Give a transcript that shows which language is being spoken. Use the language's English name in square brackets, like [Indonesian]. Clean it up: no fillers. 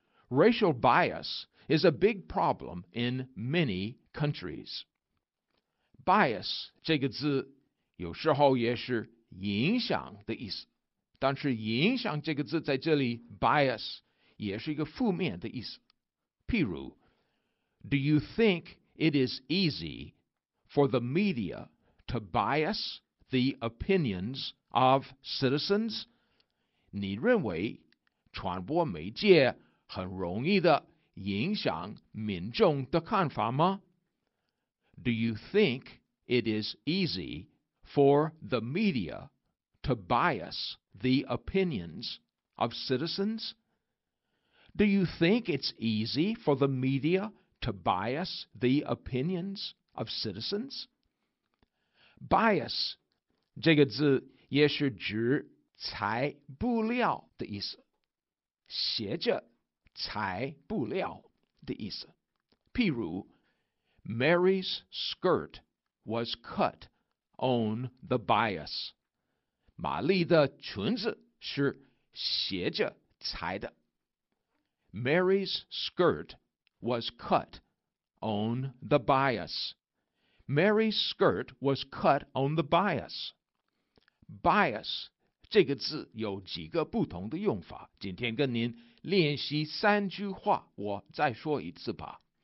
[English] Racial bias is a big problem in many countries. [Chinese] Bias 这个字有时候也是影响的意思，但是影响这个字在这里 bias 也是一个负面的意思。譬如 [English] Do you think it is easy for the media to bias the opinions of citizens? [Chinese] 你认为传播媒介很容易的影响民众的看法吗？ [English] Do you think it is easy for the media to bias the opinions of citizens? Do you think it's easy for the media to bias the opinions of citizens? [Chinese] Bias 这个字也是指材布料的意思，斜着材布料的意思。譬如 [English] Mary's skirt was cut on the bias. [Chinese] 玛丽的裙子是斜着裁的。 [English] Mary's skirt was cut on the bias. Mary's skirt was cut on the bias. [Chinese] Bias 这个字有几个不同的用法，今天跟您练习三句话，我再说一次吧。